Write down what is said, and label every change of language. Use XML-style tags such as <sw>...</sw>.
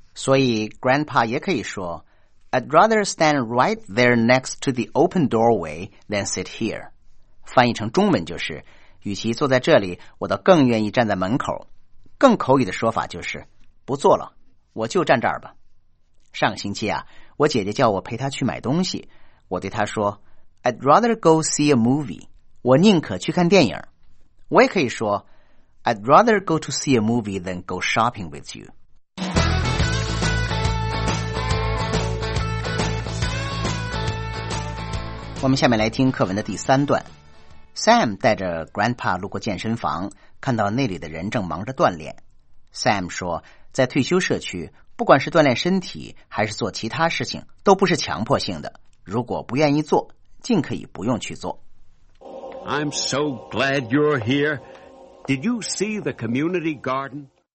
<zh>所以 Grandpa 也可以说</zh> <en>I'd rather stand right there next to the open doorway than sit here，</en> <zh>翻译成中文就是与其坐在这里，我倒更愿意站在门口。更口语的说法就是不坐了，我就站这儿吧。上个星期啊，我姐姐叫我陪她去买东西，我对她说</zh> <en>I'd rather go see a movie，</en> <zh>我宁可去看电影。我也可以说</zh> <en>I'd rather go to see a movie than go shopping with you。</en> <zh>我们下面来听课文的第三段。Sam 带着 Grandpa 路过健身房，看到那里的人正忙着锻炼。 Sam 说在退休社区，不管是锻炼身体还是做其他事情，都不是强迫性的，如果不愿意做，尽可以不用去做。</zh> <en>I'm so glad you're here. Did you see the community garden?</en>